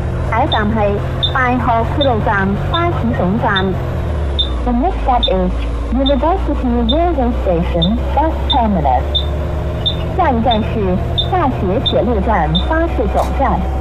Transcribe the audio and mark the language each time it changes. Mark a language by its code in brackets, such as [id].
[zh] 下一站是大学铁路站巴士总站。 [en] The next stop is University Railway Station Bus Terminus. [zh] 下一站是大学铁路站巴士总站。